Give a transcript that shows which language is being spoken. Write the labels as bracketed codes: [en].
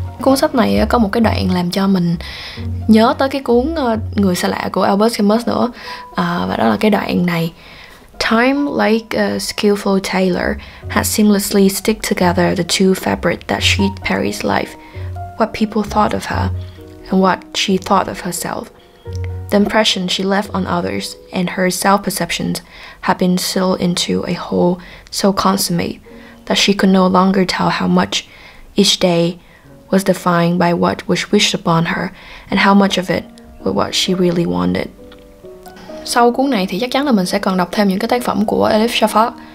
[vi] Cuốn sách này có một cái đoạn làm cho mình nhớ tới cái cuốn Người xa lạ của Albus Camus nữa, và đó là cái đoạn này: [en] Time, like a skillful tailor, has seamlessly sticked together the two fabrics that sheet Perry's life, what people thought of her and what she thought of herself. The impression she left on others and her self-perceptions have been sealed into a whole so consummate that she could no longer tell how much each day was defined by what was wished upon her and how much of it was what she really wanted. [vi] Sau cuốn này thì chắc chắn là mình sẽ còn đọc thêm những cái tác phẩm của Elif Shafak.